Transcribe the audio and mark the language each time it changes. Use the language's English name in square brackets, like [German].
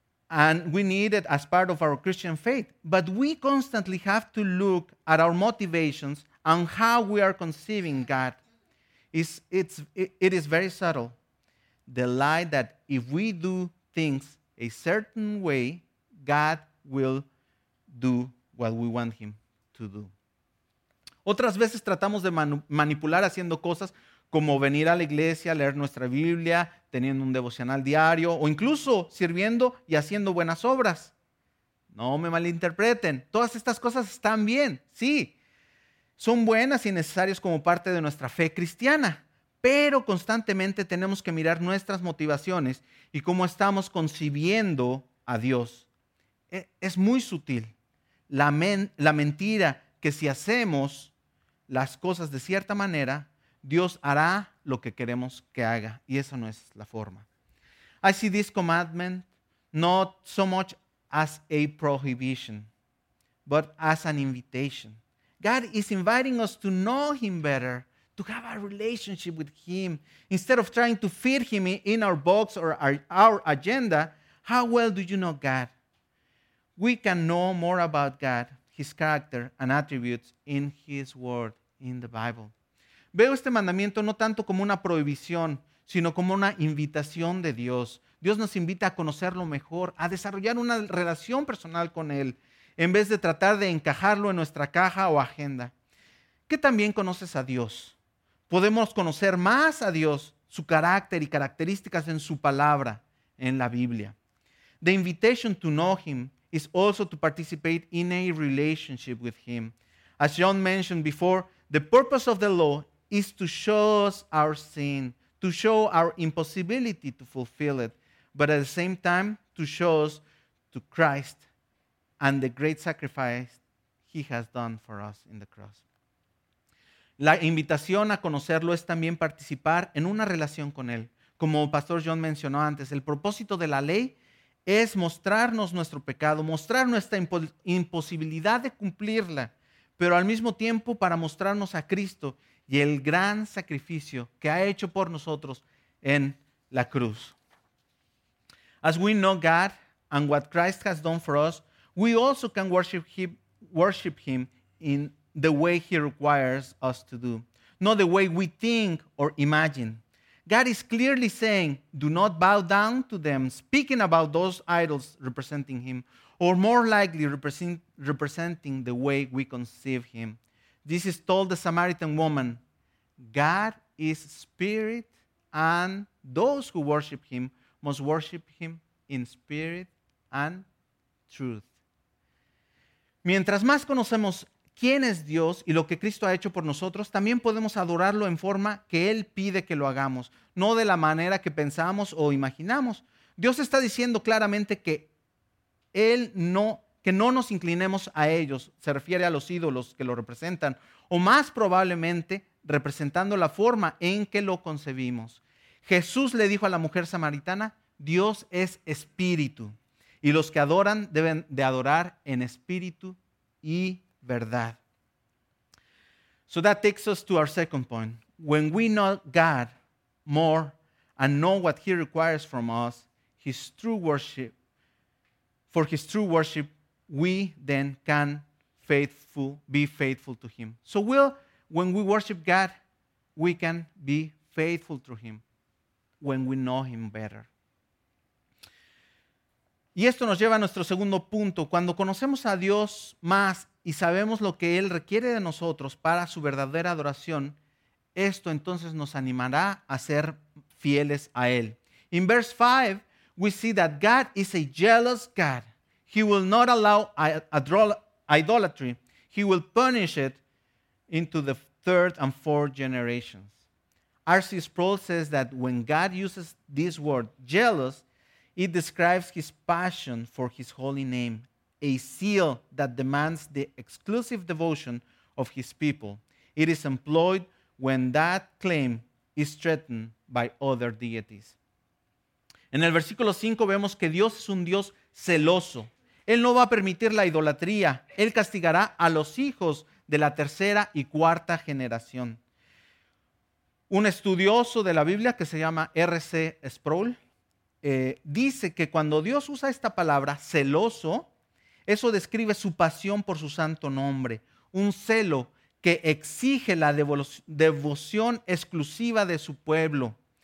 [English] And we need it as part of our Christian faith. But we constantly have to look at our motivations and how we are conceiving God. It is very subtle. The lie that if we do things a certain way, God will do what we want him to do. [Spanish] Otras veces tratamos de manipular haciendo cosas como venir a la iglesia, leer nuestra Biblia, teniendo un devocional diario o incluso sirviendo y haciendo buenas obras. No me malinterpreten. Todas estas cosas están bien, sí. Son buenas y necesarias como parte de nuestra fe cristiana, pero constantemente tenemos que mirar nuestras motivaciones y cómo estamos concibiendo a Dios. Es muy sutil. La mentira que si hacemos las cosas de cierta manera, Dios hará lo que queremos que haga. Y esa no es la forma. [English] I see this commandment not so much as a prohibition, but as an invitation. God is inviting us to know him better, to have a relationship with him. Instead of trying to fit him in our box or our agenda, how well do you know God? we can know more about God, His character and attributes in His Word, in the Bible. [Spanish] Veo este mandamiento no tanto como una prohibición, sino como una invitación de Dios. Dios nos invita a conocerlo mejor, a desarrollar una relación personal con Él, en vez de tratar de encajarlo en nuestra caja o agenda. ¿Qué también conoces a Dios? Podemos conocer más a Dios, su carácter y características en su palabra, en la Biblia. [English] The invitation to know Him is also to participate in a relationship with Him. As John mentioned before, the purpose of the law is to show us our sin, to show our impossibility to fulfill it, but at the same time, to show us to Christ and the great sacrifice He has done for us in the cross. [Spanish] La invitación a conocerlo es también participar en una relación con Él. Como Pastor John mencionó antes, el propósito de la ley es mostrarnos nuestro pecado, mostrar nuestra imposibilidad de cumplirla, pero al mismo tiempo para mostrarnos a Cristo y el gran sacrificio que ha hecho por nosotros en la cruz. [English] As we know God and what Christ has done for us, we also can worship him in the way He requires us to do, not the way we think or imagine. God is clearly saying, do not bow down to them, speaking about those idols representing Him, or more likely representing the way we conceive Him. This is told the Samaritan woman, God is spirit, and those who worship Him must worship Him in spirit and truth. [Spanish] Mientras más conocemos quién es Dios y lo que Cristo ha hecho por nosotros, también podemos adorarlo en forma que Él pide que lo hagamos, no de la manera que pensamos o imaginamos. Dios está diciendo claramente que no nos inclinemos a ellos, se refiere a los ídolos que lo representan, o más probablemente representando la forma en que lo concebimos. Jesús le dijo a la mujer samaritana, Dios es espíritu, y los que adoran deben de adorar en espíritu y verdad. [English] So that takes us to our second point. When we know God more and know what He requires from us, His true worship, we then can be faithful to Him. So when we worship God, we can be faithful to Him when we know Him better. [Spanish] Y esto nos lleva a nuestro segundo punto. Cuando conocemos a Dios más y sabemos lo que Él requiere de nosotros para su verdadera adoración, esto entonces nos animará a ser fieles a Él. [English] In verse 5, we see that God is a jealous God. He will not allow idolatry. He will punish it into the third and fourth generations. R.C. Sproul says that when God uses this word, jealous, it describes His passion for His holy name, a zeal that demands the exclusive devotion of His people. It is employed when that claim is threatened by other deities. [Spanish] En el versículo 5 vemos que Dios es un Dios celoso. Él no va a permitir la idolatría. Él castigará a los hijos de la tercera y cuarta generación. Un estudioso de la Biblia que se llama R.C. Sproul dice que cuando Dios usa esta palabra, celoso, eso describe su pasión por su santo nombre, un celo que exige la devoción exclusiva de su pueblo.